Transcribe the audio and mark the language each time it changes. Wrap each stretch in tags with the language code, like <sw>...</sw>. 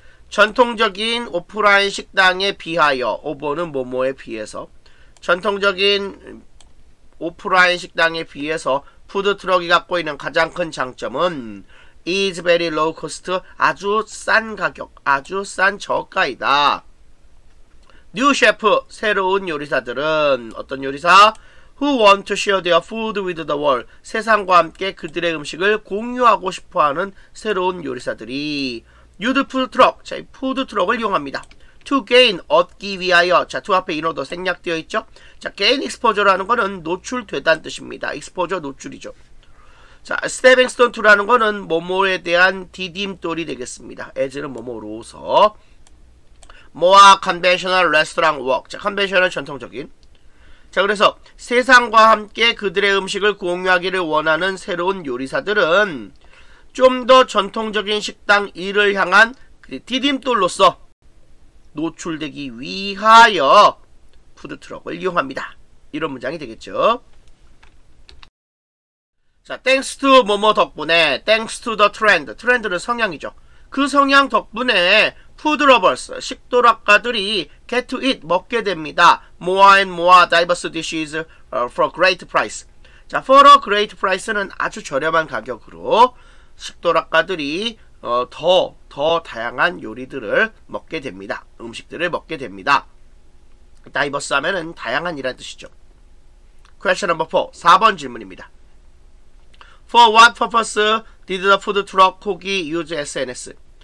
<ko>전통적인 오프라인 식당에 비하여, 오버는 뭐뭐에 비해서, 전통적인 오프라인 식당에 비해서 푸드트럭이 갖고 있는 가장 큰 장점은</ko> <en>is very low cost,</en> <ko>아주 싼 가격, 아주 싼 저가이다. 뉴 셰프, 새로운 요리사들은 어떤 요리사?</ko> <en>Who want to share their food with the world?</en> <ko>세상과 함께 그들의 음식을 공유하고 싶어하는 새로운 요리사들이 유드 푸드트럭, 자, 이 푸드트럭을 이용합니다. To gain, 얻기 위하여, 자, to 앞에 인어도 생략되어 있죠? 자, gain exposure라는 거는 노출되다는 뜻입니다. exposure, 노출이죠. 자, stepping stone to라는 거는 뭐뭐에 대한 디딤돌이 되겠습니다.</ko> <en>as는 뭐뭐로서. more conventional restaurant work.</en> <ko>자, conventional은 전통적인. 자, 그래서 세상과 함께 그들의 음식을 공유하기를 원하는 새로운 요리사들은 좀 더 전통적인 식당 일을 향한 디딤돌로서 노출되기 위하여 푸드트럭을 이용합니다. 이런 문장이 되겠죠. 자, thanks to 뭐뭐 덕분에, thanks to the trend. 트렌드는 성향이죠. 그 성향 덕분에 푸드 러버스, 식도락가들이</ko> <en>get to eat,</en> <ko>먹게 됩니다.</ko> <en>More and more diverse dishes for a great price.</en> <ko>자, for a great price는 아주 저렴한 가격으로 식도락가들이 더 다양한 요리들을 먹게 됩니다. 음식들을 먹게 됩니다. 다이버스 하면은 다양한이란 뜻이죠.</ko> <en>Question number 4.</en> <ko>4번 질문입니다.</ko> <en>For what purpose did the food truck Hogi use SNS?</en>